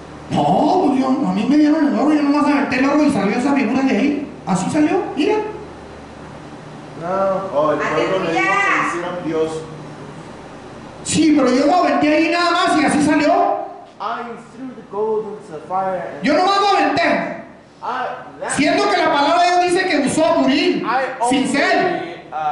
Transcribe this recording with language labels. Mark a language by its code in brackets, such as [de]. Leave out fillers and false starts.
[es] No, pues yo, a mí me dieron el oro, yo nomás agarré el oro y salió esa figura de ahí. Así salió, mira. No. Oh, el pueblo le dijo que hicieron Dios. Sí, pero yo lo aventé ahí nada más y así salió. [en] I threw the gold into the fire and [es] yo nomás lo aventé. Siendo que la palabra de Dios dice que usó buril sin ser.